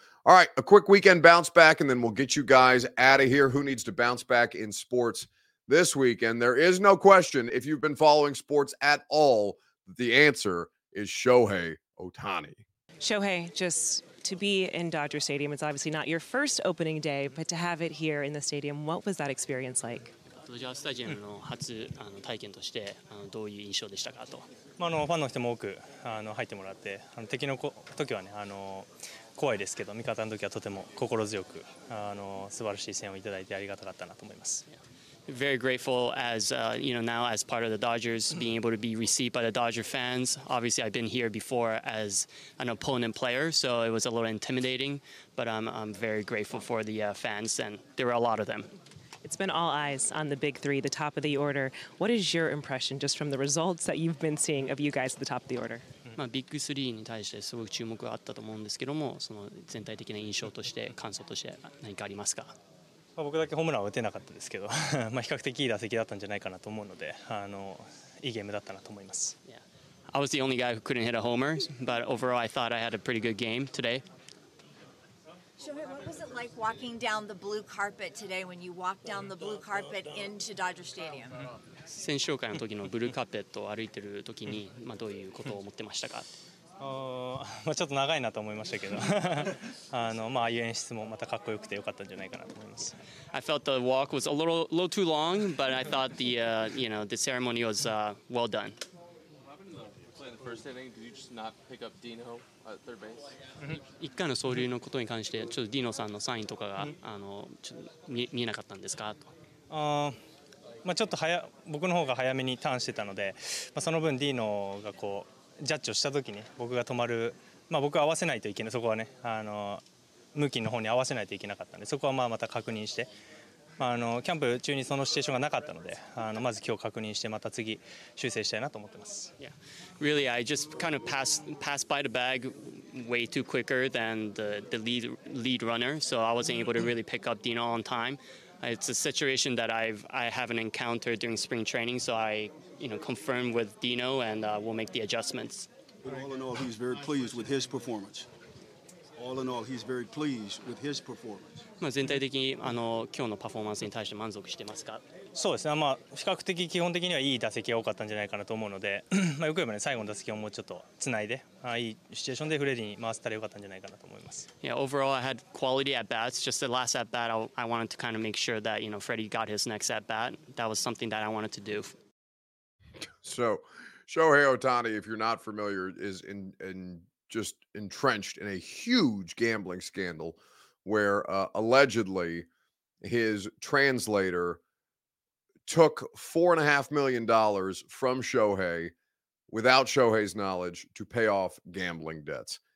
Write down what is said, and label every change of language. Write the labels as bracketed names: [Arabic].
[English] All right, a quick weekend bounce back, and then we'll get you guys out of here. Who needs to bounce back in sports this weekend? There is no question, if you've been following sports at all, the answer is Shohei Ohtani. Shohei just to be in Dodger Stadium. It's obviously not your first opening day, but to have it here in the stadium, what was that experience like? [Japanese] ドジャースタジアムの初体験としてどういう印象でしたかと。まあ、ファンの人も多く入ってもらって、敵の時はね、怖いですけど、味方の時はとても心強く素晴らしい声援をいただいてありがたかったなと思います。 [English] Very grateful as you know, now as part of the Dodgers, being able to be received by the Dodger fans. Obviously, I've been here before as an opponent player, so it was a little intimidating. But I'm very grateful for the fans, and there were a lot of them. It's been all eyes on the big three, the top of the order. What is your impression just from the results that you've been seeing of you guys at the top of the order? [Japanese] まあ、ビッグスリーに対してすごく注目があったと思うんですけども、その全体的な印象として、感想として何かありますか？僕だけホームランは打てなかったですけど、まあ比較的いい打席だったんじゃないかなと思うので、いいゲームだったなと思います。 [English] Yeah. I was the only guy who couldn't hit a homer, but overall I thought I had a pretty good game today. Shohei, what was it like walking down the blue carpet today when you walked down the blue carpet into Dodger Stadium? [Japanese] 選手紹介の時のブルーカーペットを歩いてる時に、まあどういうことを思ってましたか？まあ、ちょっと長いなと思いましたけど、まあ、ああいう演出もまたかっこよくてよかったんじゃないかなと思います。 [English] I felt the walk was a little too long, but I thought the, you know, the ceremony was well done. What happened in the first inning? Did you just not pick up Dino at third base? [Japanese] 1回の走塁のことに関して、ちょっとディーノさんのサインとかが、ちょっと見えなかったんですかと。まあ、ちょっと僕の方が早めにターンしてたので、まあ、その分ディーノがこう、ジャッジをしたときに僕が止まる、まあ、僕は合わせないといけない、そこはね、向きの方に合わせないといけなかったので、そこはまあまた確認して、まあ、キャンプ中にそのシチュエーションがなかったので、まず今日確認して、また次、修正したいなと思ってます。 [English] Yeah. Really, I just kind of passed by the bag way too quicker than the lead runner, so I wasn't able to really pick up Dino on time. It's a situation that I haven't encountered during spring training, so I, you know, confirm with Dino and we'll make the adjustments. But all in all, he's very pleased with his performance. All in all, he's very pleased with his performance. [Japanese] まあ全体的に今日のパフォーマンスに対して満足してますか？そうですね。まあ比較的基本的にはいい打席が多かったんじゃないかなと思うので、まあよく言えばね、最後の打席をもうちょっとつないで、いいシチュエーションでフレディに回せたらよかったんじゃないかなと思います。 [English] Yeah, overall, I had quality at bats. Just the last at bat, I wanted to kind of make sure that, you know, Freddie got his next at bat. That was something that I wanted to do. So, Shohei Ohtani, if you're not familiar, is in just entrenched in a huge gambling scandal where allegedly his translator took $4.5 million from Shohei without Shohei's knowledge to pay off gambling debts.